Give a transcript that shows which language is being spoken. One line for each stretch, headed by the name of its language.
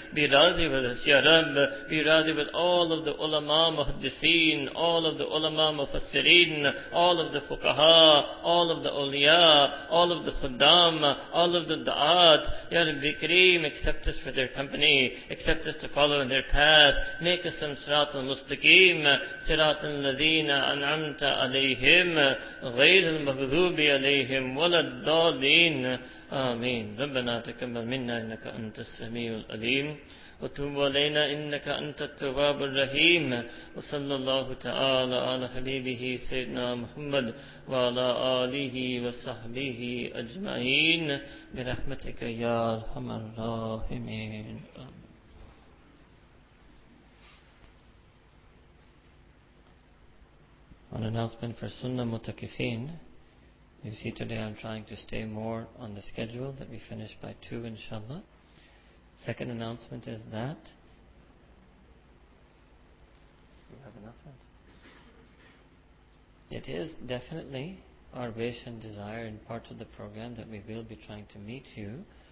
English: Be radhi with us, Ya Rab. Be radhi with all of the ulama muhaddiseen, all of the ulama mufassireen, all of the fuqaha, all of the awliya, all of the khuddam, all of the da'at. Ya Rabbi Kareem, accept us for their company. Accept us to follow in their path. Make us some sirat al-mustaqeem.
Arabic: صراط الذين أنعمت عليهم غير المغضوب عليهم ولا الضالين آمين ربنا تقبل منا إنك أنت السميع العليم وتوب علينا إنك أنت التواب الرحيم وصلى الله تعالى على حبيبه سيدنا محمد وعلى آله وصحبه أجمعين برحمتك يا أرحم الراحمين
English: An announcement for Sunnah Mutakifin. You see today I'm trying to stay more on the schedule that we finish by 2 inshallah. Second announcement is that... Do you have enough? It is definitely our wish and desire and part of the program that we will be trying to meet you.